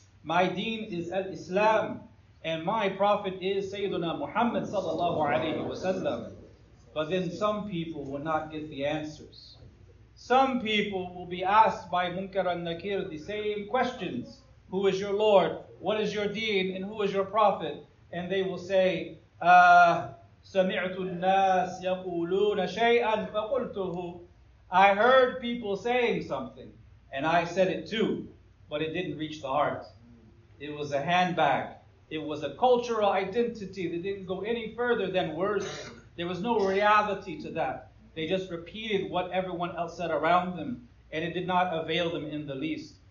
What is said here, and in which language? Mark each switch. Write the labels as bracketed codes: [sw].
[en] My deen is al-Islam, and my prophet is Sayyiduna Muhammad sallallahu alayhi wa sallam. But then some people will not get the answers. Some people will be asked by Munkar al-Nakir the same questions. Who is your Lord? What is your deen? And who is your prophet? [ar] And they will say, سَمِعْتُ النَّاسِ يَقُولُونَ شَيْئًا فَقُلْتُهُ. [en] I heard people saying something, and I said it too, but it didn't reach the heart. It was a handbag. It was a cultural identity that didn't go any further than words. There was no reality to that. They just repeated what everyone else said around them, and it did not avail them in the least.